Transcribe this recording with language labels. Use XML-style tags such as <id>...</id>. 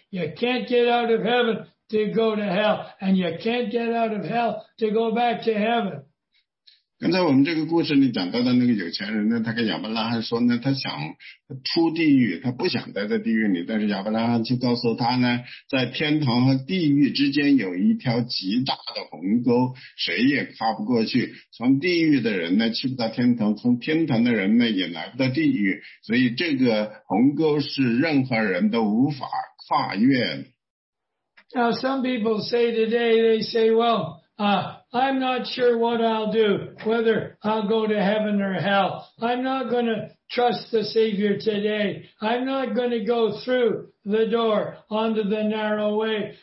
<en>You can't get out of heaven to go to hell, and you can't get out of hell to go back to heaven.</en> <zh>刚才我们这个故事里讲到的那个有钱人呢，他跟亚伯拉罕说呢，他想出地狱，他不想待在地狱里，但是亚伯拉罕就告诉他呢，在天堂和地狱之间有一条极大的鸿沟，谁也跨不过去，从地狱的人呢去不到天堂，从天堂的人呢也来不到地狱，所以这个鸿沟是任何人都无法跨越。</zh> <en>Now some people say today, they say, well, I'm not sure what I'll do, whether I'll go to heaven or hell. I'm not going to trust the Savior today. I'm not going to go through the door onto the narrow way.</en>